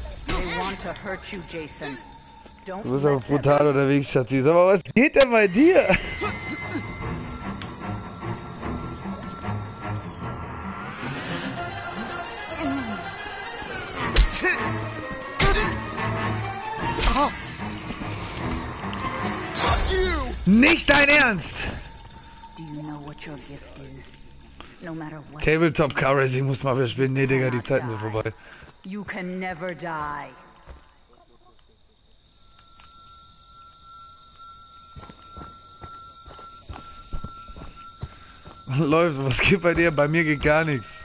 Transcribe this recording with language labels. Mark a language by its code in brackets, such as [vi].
[en] They want to hurt you, Jason. Don't. [de] Du bist aber brutal unterwegs, Schatzi. Aber was geht denn bei dir? Nicht dein Ernst! [en] Do you know what your gift is? No matter what. [de] Tabletop Car Racing muss mal wieder spielen. Nee, Digga, die Zeiten sind vorbei. [en] You can never die. [de] Läuft, was geht bei dir? Bei mir geht gar nichts.